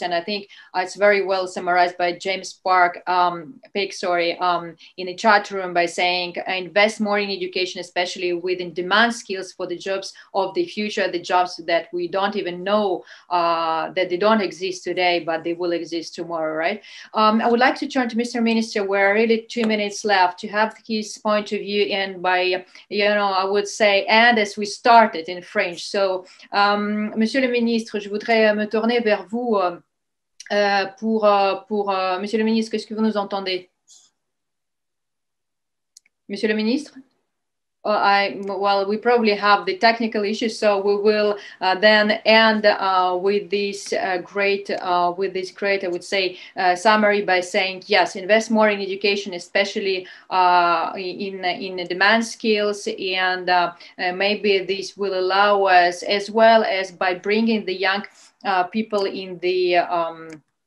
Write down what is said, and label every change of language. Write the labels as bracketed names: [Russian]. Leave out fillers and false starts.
[English] And I think it's very well summarized by James Park, in the chat room by saying, invest more in education, especially with in-demand skills for the jobs of the future, the jobs that we don't even know that they don't exist today, but they will exist tomorrow, right? I would like to turn to Mr. Minister, where really 2 minutes left to have his point of view and by, I would say, and as we started in French. [French] So, Monsieur le ministre, je voudrais me tourner vers vous pour Monsieur le ministre, qu'est-ce que vous nous entendez? Monsieur le ministre? [English] We probably have the technical issues, so we will then end with this great, I would say, summary by saying yes, invest more in education, especially in demand skills, and maybe this will allow us, as well as by bringing the young people in the.